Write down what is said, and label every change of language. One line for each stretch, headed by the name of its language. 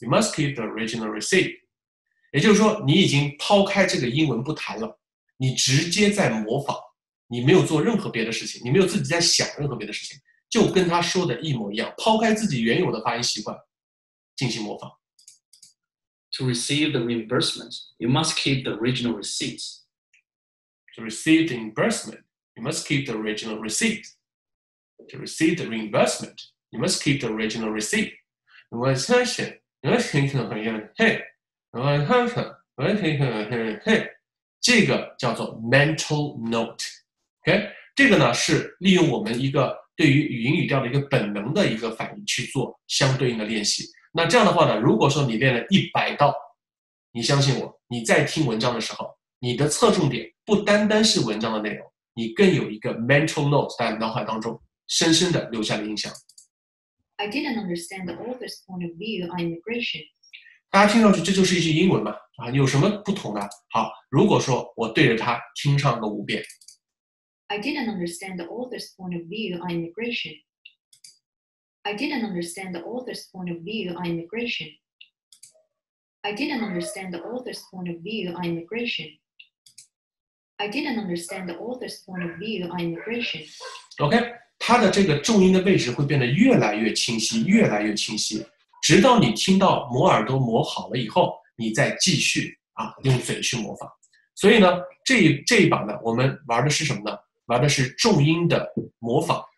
English: You must keep the original receipt.
Chinese: 也就是说，你已经抛开这个英文不谈了，你直接在模仿，你没有做任何别的事情，你没有自己在想任何别的事情，就跟他说的一模一样，抛开自己原有的发音习惯，进行模仿。
English: To receive the reimbursement, you must keep the original receipts. To receive the reimbursement, you must keep the original receipt. To receive the reimbursement, you must keep the original receipt.
Chinese: 我相信，我相信可能会有嘿，我相信，我相信可能会有嘿，这个叫做 mental note. OK， 这个呢是利用我们一个对于语音语调的一个本能的一个反应去做相对应的练习。那这样的话呢，如果说你练了100道，你相信我，你在听文章的时候，你的侧重点不单单是文章的内容，你更有一个 mental note 在脑海当中深深的留下了印象。
English: I didn't understand the author's point of view on immigration.
Chinese: 大家听上去这就是一句英文嘛，啊，有什么不同的？好，如果说我对着它听上个五遍。
English: I didn't understand the author's point of view on immigration. I didn't understand the author's point of view on immigration. I didn't understand the author's point of view on immigration. I didn't understand the author's point of view on immigration.
Chinese: OK， 它的这个重音的位置会变得越来越清晰，越来越清晰，直到你听到磨耳朵磨好了以后，你再继续啊用嘴去模仿。所以呢，这一把呢，我们玩的是什么呢？玩的是重音的模仿。